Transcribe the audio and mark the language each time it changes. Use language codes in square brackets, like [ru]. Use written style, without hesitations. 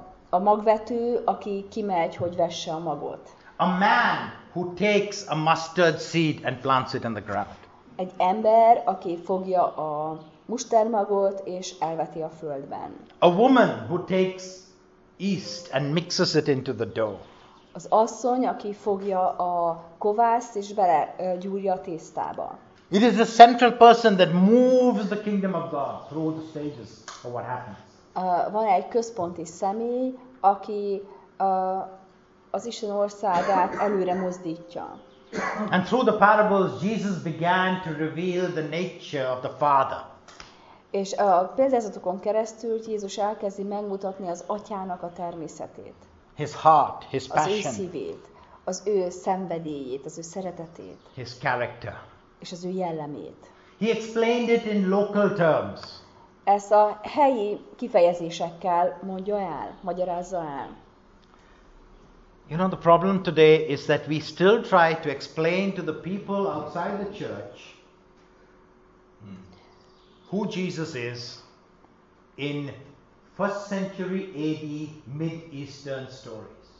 [hu] A magvető, aki kimegy, hogy vesse a magot. [en] A man who takes a mustard seed and plants it in the ground. [hu] Egy ember, aki fogja a mustármagot és elveti a földben. [en] A woman who takes yeast and mixes it into the dough. [hu] Az asszony, aki fogja a kovászt és bele gyúrja a tésztába. [en] It is the central person that moves the kingdom of God through the stages of what happens. [hu] Van egy központi személy, aki az Isten országát előre mozdítja. [en] And through the parables Jesus began to reveal the nature of the Father. [hu] És a példázatokon keresztül Jézus elkezdi megmutatni az Atyának a természetét. [en] His heart, his passion. [hu] Az ő szívét, az ő szenvedélyét, az ő szeretetét. [en] His character. [hu] És az ő jellemét. [en] He explained it in local terms. [hu] Ezt a helyi kifejezésekkel mondja el, magyarázza el. [en] You know, the problem today is that we still try to explain to the people outside the church who Jesus is in first century AD Mid-Eastern stories.